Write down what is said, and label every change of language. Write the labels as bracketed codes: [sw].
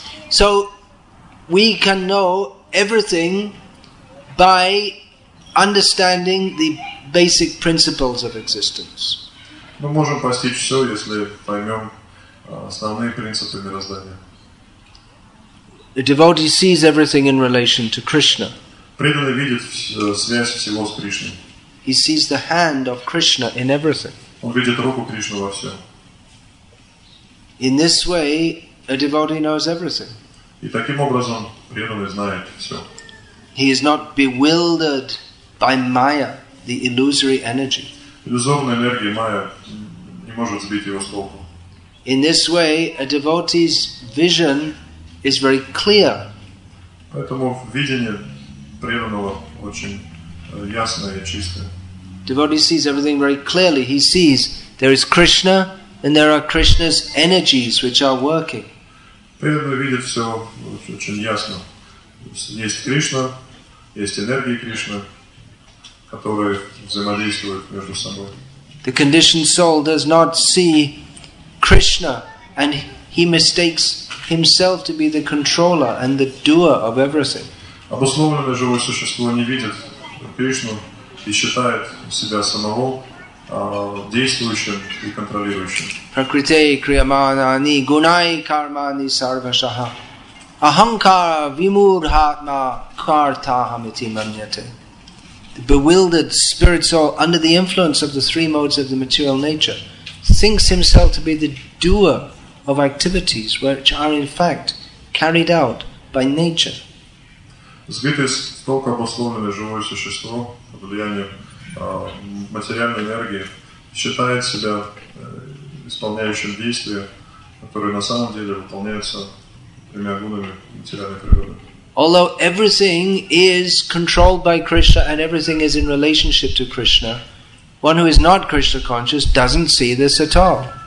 [en] So we can know everything by understanding the basic principles of existence. [ru] Мы можем постичь все, если поймем основные принципы мироздания. [en] The devotee sees everything in relation to Krishna. [ru] Преданный видит связь всего с Кришной. [en] He sees the hand of Krishna in everything. [ru] Он видит руку Кришны во всем. [en] In this way, a devotee knows everything. [ru] И таким образом преданный знает все. [en] He is not bewildered by Maya. The illusory energy. [ru] Иллюзорная энергия майя не может сбить его с толку. [en] In this way, a devotee's vision is very clear. [ru] Поэтому видение преданного очень ясное и чистое. [en] Devotee sees everything very clearly. He sees there is Krishna and there are Krishna's energies which are working. [ru] Преданный видит все очень ясно. Есть Кришна, есть энергии Кришны, которые взаимодействуют между собой. [en] The conditioned soul does not see Krishna and he mistakes himself to be the controller and the doer of everything. [ru] Обусловленное живое существо не видит Кришну и считает себя самого действующим и контролирующим. [sa] Prakriti kriyamanani gunai karmani sarvashaha ahankara vimurhatma kartahamiti manyate. [en] The bewildered spirit soul, under the influence of the three modes of the material nature, thinks himself to be the doer of activities which are in fact carried out by nature. [ru] Сбитое с толку обусловленное живое существо под влиянием материальной энергии считает себя исполняющим действия, которые на самом деле выполняются тремя гунами материальной природы. [en] Although everything is controlled by Krishna and everything is in relationship to Krishna, one who is not Krishna conscious doesn't see this at all.